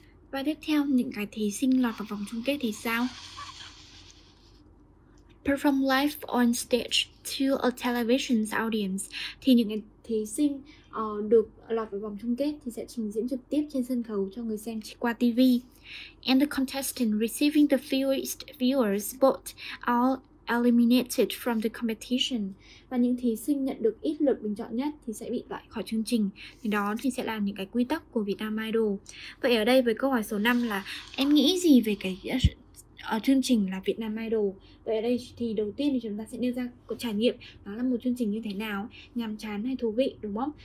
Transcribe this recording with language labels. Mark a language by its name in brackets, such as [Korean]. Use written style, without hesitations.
[Vietnamese] Và tiếp theo, những cái thí sinh lọt vào vòng chung kết thì sao? [English] Perform live on stage to a television audience. [Vietnamese] Thì những cái thí sinh được lọt vào vòng chung kết thì sẽ trình diễn trực tiếp trên sân khấu cho người xem qua TV. [English] And the contestant receiving the fewest viewers both are eliminated from the competition. [Vietnamese] Và những thí sinh nhận được ít lượt bình chọn nhất thì sẽ bị loại khỏi chương trình. Thì đó thì sẽ là những cái quy tắc của Vietnam Idol. Vậy ở đây với câu hỏi số 5 là em nghĩ gì về cái chương trình là Việt Nam Idol. Vậy ở đây thì đầu tiên thì chúng ta sẽ đưa ra một trải nghiệm, nó là một chương trình như thế nào, nhàm chán hay thú vị, đúng không?